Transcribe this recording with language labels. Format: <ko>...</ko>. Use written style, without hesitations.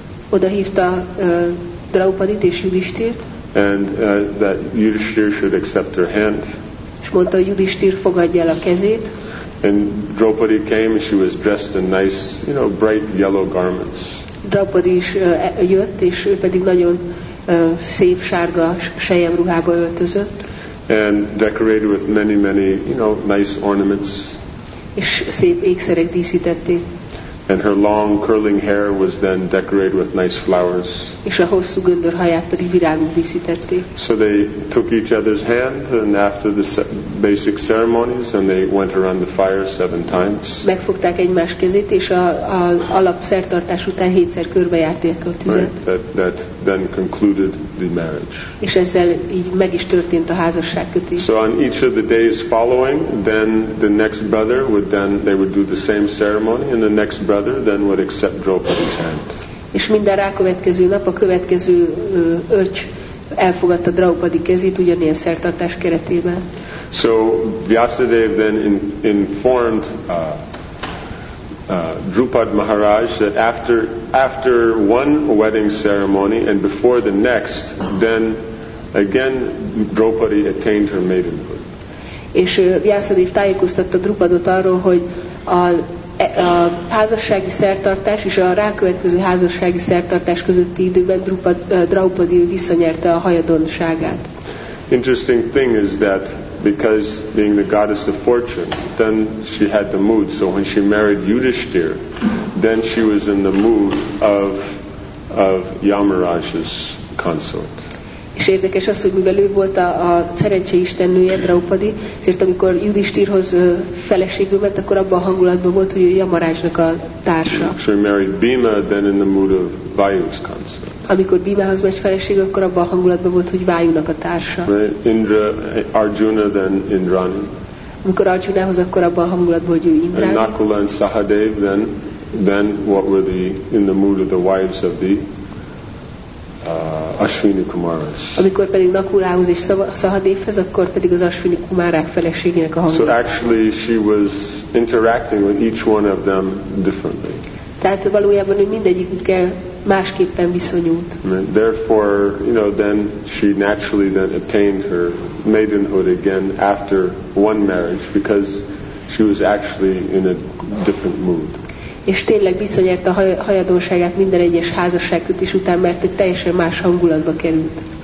<hu>Oda hívta Draupadit és Yudhishthirt.</hu> <en>And that Yudhishthir should accept her hand.</en> <hu>És mondta, Yudhishthir fogadja el a kezét.</hu> <en>And Draupadi came and she was dressed in nice, you know, bright yellow garments.</en> <hu>Draupadi is jött, és ő pedig nagyon szép sárga selyem ruhába öltözött.</hu> <en>And decorated with many, many, you know, nice ornaments.</en> <hu>És szép ékszerek díszítették.</hu> <en>And her long curling hair was then decorated with nice flowers.</en> <hu>És a hosszú göndör haját pedig virágok díszítették.</hu> <en>So they took each other's hand and after the basic ceremonies and they went around the fire 7 times.</en> <hu>Megfogták egymás kezét és a alapszertartás után 7-szer körbejárták a tüzet.</hu> <en>Right, that then concluded the marriage.</en> <hu>És ezzel így meg is történt a házasságkötés.</hu> <en>So on each of the days following, then the next brother would then, they would do the same ceremony and the next brother then would accept Draupadi's hand.</en> <hu>És minden rá következő nap a következő öcs elfogadta Draupadi kezét ugyanilyen szertartás keretében.</hu> <en>So Vyasadeva then informed Drupad Maharaj that after one wedding ceremony and before the next, then Again, Draupadi attained her maidenhood.</en> <hu>És Vyászadév tájékoztatta Drupadot arról, hogy a házassági szertartás és a rákövetkező házassági szertartás közötti időben Draupadi visszanyerte a hajadonságát.</hu> <en>Interesting thing is that because being the goddess of fortune, then she had the mood. So when she married Yudhishthir, then she was in the mood of Yamaraj's consort.</en> <hu>És érdekes az, hogy mivel ő volt a szerencse istennője, Draupadi, ezért amikor Yudhishthirhoz feleségül ment, akkor abban a hangulatban volt, hogy ő Yamarajnak a társa.</hu> <en>She married Bhima, then in the mood of Vayu's consort.</en> <hu>Amikor Bhimahoz megy feleségül, akkor abban a hangulatban volt, hogy Vayunak a társa.</hu> <en>Indra, Arjuna, then Indrani.</en> <hu>Amikor Arjunahoz, akkor abban a hangulatban, hogy ő Indrani.</hu> <en>And Nakula and Sahadev, then what were the in the mood of the wives of the Ashwini Kumaras.</en> <hu>Amikor pedig Nakulához és Sahadevhez, akkor pedig az Ashwini Kumarák feleségének a hangulat.</hu> <en>So actually she was interacting with each one of them differently.</en> <hu>Tehát valójában ő mindegyikükkel másképpen viszonyult.</hu> <en>Therefore, you know, then she naturally then attained her maidenhood again after one marriage because she was actually in a different mood.</en> <hu>És tényleg visszanyerte a hajadonságát minden egyes házasságkötés után, mert egy teljesen más hangulatba került.</hu>